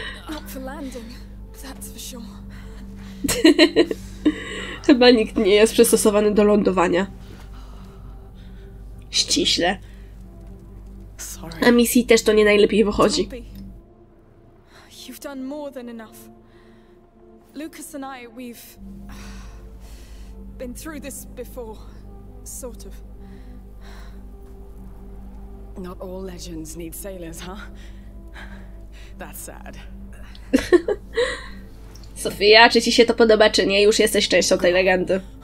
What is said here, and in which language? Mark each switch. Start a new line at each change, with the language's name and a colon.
English: Not for landing, that's for sure.
Polish: Chyba nikt nie jest przystosowany do lądowania. Ściśle.
English: Sorry.
Polish: A Missy też to nie najlepiej wychodzi.
English: You've done more than enough. Lucas and I, we've been through this before, sort of. Not all legends need sailors, huh? That's sad.
Polish: Sofia, czy ci się to podoba, czy nie? Już jesteś częścią tej legendy.